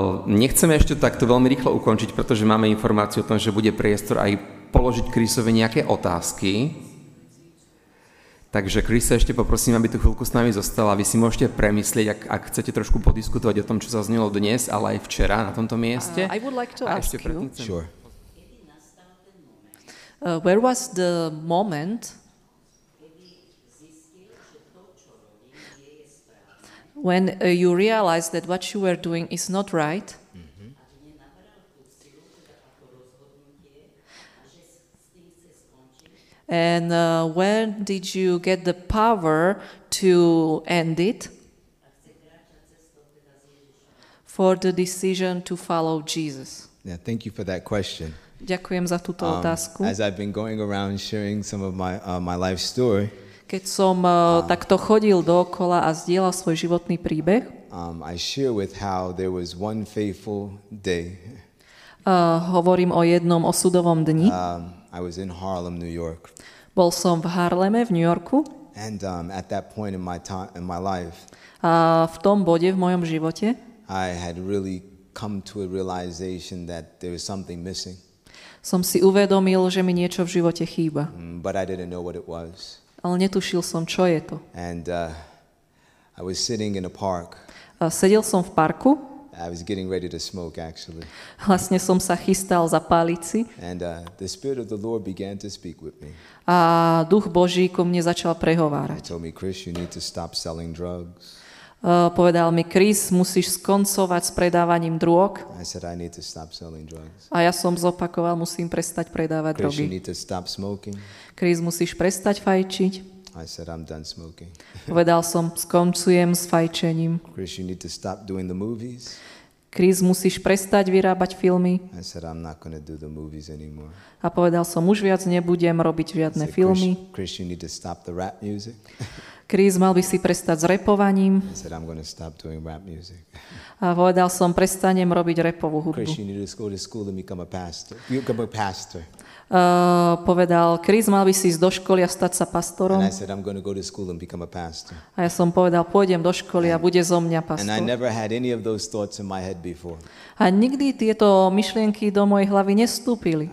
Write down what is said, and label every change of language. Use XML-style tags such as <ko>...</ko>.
<sk>Nechceme ešte takto veľmi rýchlo ukončiť, pretože máme informáciu o tom, že bude priestor aj položiť Chrisovi nejaké otázky. Takže Chris, ešte poprosím, aby tu chvíľku s nami zostala. Vy si môžete premyslieť, ak chcete trošku podiskutovať o tom, čo sa znelo dnes, ale aj včera na tomto mieste.</sk> <en>I would like to</en> <sk>a ešte predtým chcem.</sk> <en>Sure. Where was the moment when you realized that what you were doing is not right? And when did you get the power to end it for the decision to follow Jesus? Yeah, thank you for that question.</en> <sk>Ďakujem za túto otázku.</sk> <en>As I've been going around sharing some of my life story,</en> <sk>keď som takto chodil dookola a zdieľal svoj životný príbeh,</sk> <en>I share with how there was one faithful day.</en> <sk>Hovorím o jednom osudovom dni.</sk> <en>I was in Harlem, New York.</en> <sk>Bol som v Harleme, v New Yorku.</sk> <en>And at that point in my time, in my life,</en> <sk>a v tom bode v mojom živote,</sk> <en>I had really come to a realization that there was something missing.</en> <sk>som si uvedomil, že mi niečo v živote chýba.</sk> <en>But I didn't know what it was.</en> <sk>Ale netušil som, čo je to.</sk> <en>And I was sitting in a park.</en> <sk>Sedel som v parku.</sk> <en>I was getting ready to smoke actually.</en> <sk>Vlastne som sa chystal zapáliť si.</sk> <en>And the spirit of the Lord began to speak with me.</en> <sk>A Duch Boží ku mne začal prehovárať.</sk> <en>He told me, Chris, you need to stop selling drugs.</en> <sk>Povedal mi, Chris, musíš skoncovať s predávaním drog.</sk> <en>I said, I need to stop selling drugs.</en> <sk>A ja som zopakoval, musím prestať predávať</sk> <en>Chris,</en> <sk>drogy.</sk> <en>You need to stop smoking.</en> <sk>Chris, musíš prestať fajčiť.</sk> <en>I said, I'm done smoking.</en> <sk>Povedal som, skoncujem s fajčením.</sk> <en>Chris, you need to stop doing the movies.</en> <sk>Chris, musíš prestať vyrábať filmy.</sk> <en>I said, I'm not gonna do the movies anymore.</en> <sk>A povedal som, už viac nebudem robiť žiadne filmy.</sk> <en>Chris, you need to stop the rap music.</en> <sk>Chris, mal by si prestať s rapovaním.</sk> <en>I said, I'm gonna stop doing rap music.</en> <sk>A povedal som, prestanem robiť rapovú hudbu.</sk> <en>Chris, you need to go to school and become a pastor. You become a pastor.</en> <sk>Povedal, Chris, mal by si ísť do školy a stať sa pastorom.</sk> <en>And I said, I'm gonna go to school and become a pastor.</en> <sk>A ja som povedal, pôjdem do školy a bude zo mňa pastor.</sk> <en>And I never had any of those thoughts in my head before.</en> <sk>A nikdy tieto myšlienky do mojej hlavy nestúpili.</sk>